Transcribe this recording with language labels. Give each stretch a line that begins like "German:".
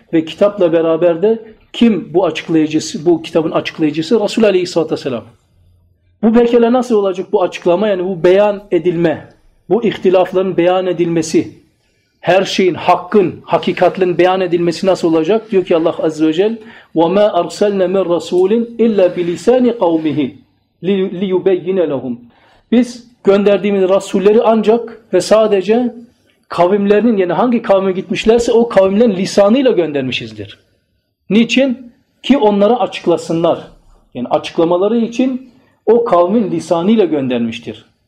Turkish: Ve kitapla beraber de kim bu açıklayıcısı, bu kitabın açıklayıcısı? Resulü Aleyhisselatü Vesselam. Bu belkele nasıl olacak bu açıklama, yani bu beyan edilme, bu ihtilafların beyan edilmesi, her şeyin, hakkın, hakikatlerin beyan edilmesi nasıl olacak? Diyor ki Allah Azze ve Celle,
Arabic: وَمَا أَرْسَلْنَا مِنْ رَسُولٍ اِلَّا بِلِسَانِ قَوْمِهِ لِيُبَيِّنَ لَهُمْ.
Turkish: Biz gönderdiğimiz rasulleri ancak ve sadece kavimlerinin, yani hangi kavme gitmişlerse o kavimlerin lisanıyla göndermişizdir. Niçin? Ki onlara açıklasınlar. Yani açıklamaları için o kavmin lisanıyla göndermiştir.